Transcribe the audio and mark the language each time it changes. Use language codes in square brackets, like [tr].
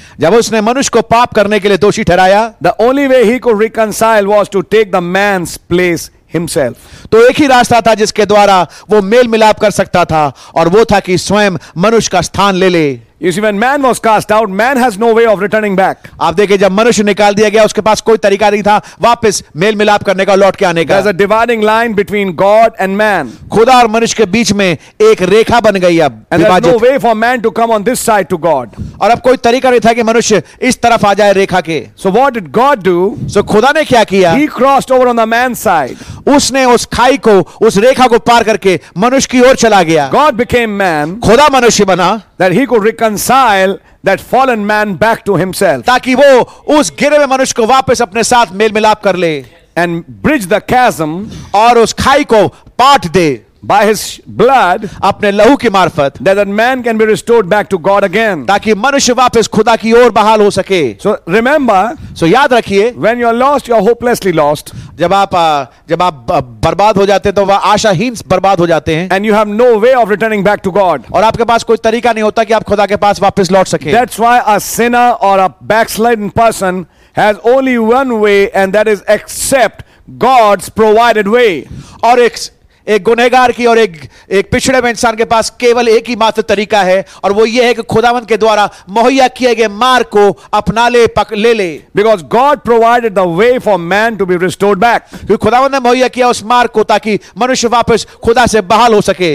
[hi] जब उसने मनुष्य को पाप करने के लिए दोषी ठहराया, [en] the only way he could reconcile was to take the man's place himself. [hi] तो एक ही रास्ता था जिसके द्वारा वो मेल मिलाप कर सकता था, और वो था कि स्वयं मनुष्य का स्थान ले ले. [en] You see, when man was cast out, man has no way of returning back. [hi] आप देखिए जब मनुष्य निकाल दिया गया उसके पास कोई तरीका नहीं था वापस मेल मिलाप करने का लौट के आने का. [en] There's a dividing line between God and man. [hi] खुदा और मनुष्य के बीच में एक रेखा बन गई अब विभाजित. [en] And there's no way for man to come on this side to God. [hi] और अब कोई तरीका नहीं था कि मनुष्य इस तरफ आ जाए रेखा के. [en] So what did God do? [hi] So खुदा ने क्या किया? [en] He crossed over on the man's side. [hi] उसने उस खाई को उस रेखा को पार करके मनुष्य की ओर चला गया. [en] God became man. [hi] खुदा मनुष्य बना. [en] That he could reconcile that fallen man back to himself. [hi] ताकि वो उस गिरे हुए मनुष्य को वापस अपने साथ मेल मिलाप कर ले. [en] And bridge the chasm. [hi] और उस खाई को पाट दे. [en] By his blood. [hi] अपने लहू की मार्फत. [en] That man can be restored back to God again. [hi] ताकि मनुष्य वापस खुदा की ओर बहाल हो सके. [en] So remember. [hi] So याद रखिए. [en] When you are lost, you are hopelessly lost. [hi] जब आप बर्बाद हो जाते हैं तो वह आशाहीन बर्बाद हो जाते हैं. [en] And you have no way of returning back to God. [hi] और आपके पास कोई तरीका नहीं होता कि आप खुदा के पास वापस लौट सके. [en] That's why a sinner or a backslidden person has only one way, and that is accept God's provided way. [hi] और एक गुनहगार की और एक पिछड़े हुए इंसान के पास केवल एक ही मात्र तरीका है और वो ये है कि खुदावन के द्वारा मुहैया किए गए मार्ग को अपना ले ले. [en] Because God provided the way for man to be restored back. [hi] क्योंकि खुदावन ने मुहैया किया उस मार्ग को ताकि मनुष्य वापस खुदा से बहाल हो सके.